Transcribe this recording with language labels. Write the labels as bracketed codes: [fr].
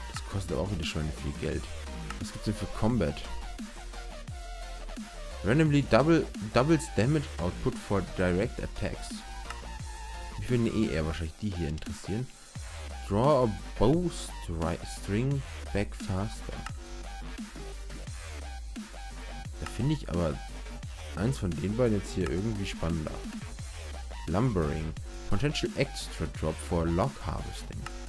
[de] Kostet auch wieder schon viel Geld. Was gibt's denn für Combat? [en] Randomly doubles Damage Output for Direct Attacks. [de] Mich würden eher wahrscheinlich die hier interessieren. [en] Draw a bow string back faster. [de] Da finde ich aber eins von den beiden jetzt hier irgendwie spannender. [en] Lumbering. Potential Extra Drop for Log Harvesting.